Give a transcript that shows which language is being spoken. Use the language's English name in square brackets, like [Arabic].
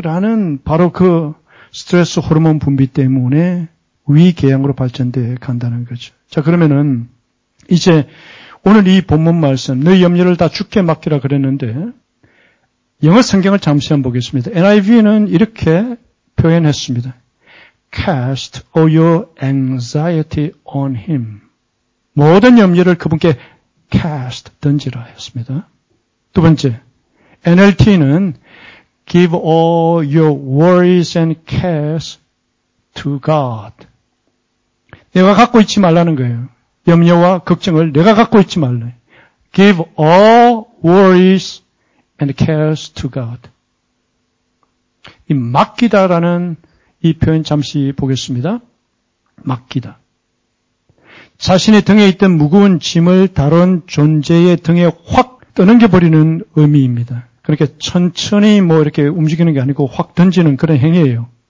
[Korean] 라는 바로 그 스트레스 호르몬 분비 때문에 위궤양으로 발전되어 간다는 거죠. 자 그러면은 이제 오늘 이 본문 말씀 너의 염려를 다 주께 맡기라 그랬는데 영어 성경을 잠시 한번 보겠습니다. NIV는 이렇게 표현했습니다. [English] Cast all your anxiety on him. [Korean] 모든 염려를 그분께 cast 던지라 했습니다. 두 번째 NLT는 [English] Give all your worries and cares to God. [Korean] 내가 갖고 있지 말라는 거예요. 염려와 걱정을 내가 갖고 있지 말래. [English] Give all worries and cares to God. [Korean] 이 맡기다라는 이 표현 잠시 보겠습니다. 맡기다. 자신의 등에 있던 무거운 짐을 다른 존재의 등에 확 떠넘겨버리는 의미입니다. 그러니까 천천히 뭐 이렇게 움직이는 게 아니고 확 던지는 그런 행위예요.